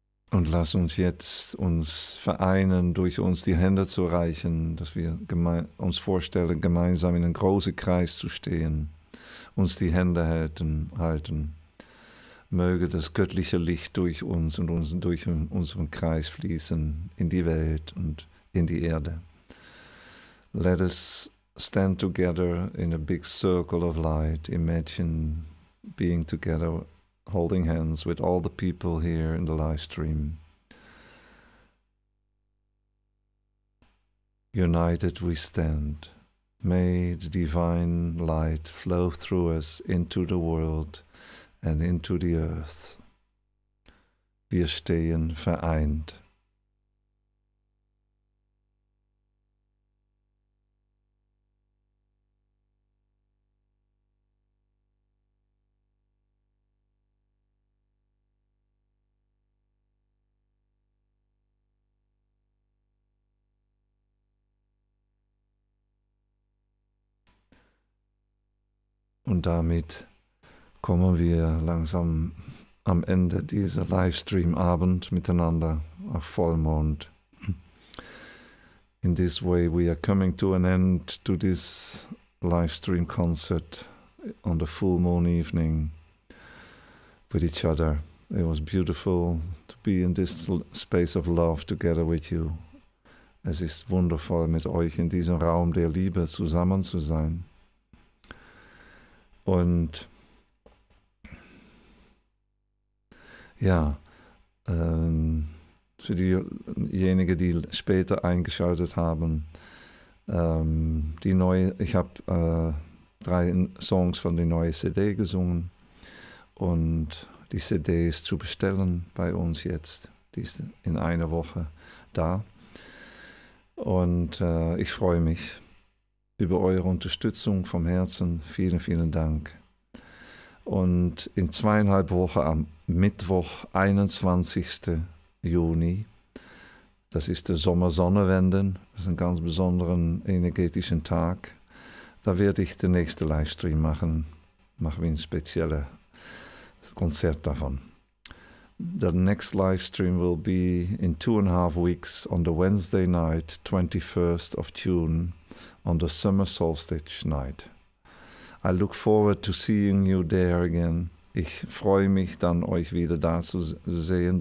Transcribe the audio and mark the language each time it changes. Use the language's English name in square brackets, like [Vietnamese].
[German] Und lass uns jetzt uns vereinen, durch uns die Hände zu reichen, dass wir uns vorstellen, gemeinsam in einen großen Kreis zu stehen, uns die Hände halten. Möge das göttliche Licht durch uns und durch unseren Kreis fließen in die Welt und in die Erde. [English] Let us stand together in a big circle of light. Imagine being together, holding hands with all the people here in the live stream. United we stand. May the divine light flow through us into the world and into the earth. [German] Wir stehen vereint. Und damit kommen wir langsam am Ende dieser Livestream-Abend miteinander auf Vollmond. [English] In this way we are coming to an end to this Livestream concert on the full moon evening with each other. It was beautiful to be in this space of love together with you. [German] Es ist wundervoll, mit euch in diesem Raum der Liebe zusammen zu sein. Und ja, für diejenigen, die später eingeschaltet haben, ich habe 3 Songs von der neuen CD gesungen und die CD ist zu bestellen bei uns jetzt. Die ist in einer Woche da und ich freue mich über eure Unterstützung vom Herzen. Vielen, vielen Dank. Und in 2,5 Wochen am Mittwoch, 21. Juni, das ist der Sommersonnenwende, das ist ein ganz besonderer energetischer Tag, da werde ich den nächsten Livestream machen. Machen wir ein spezielles Konzert davon. [English] The next Livestream will be in 2,5 weeks on the Wednesday night, 21st of June, on the Summer Solstice night. I look forward to seeing you there again. [German] Ich freue mich dann, euch wieder da zu sehen.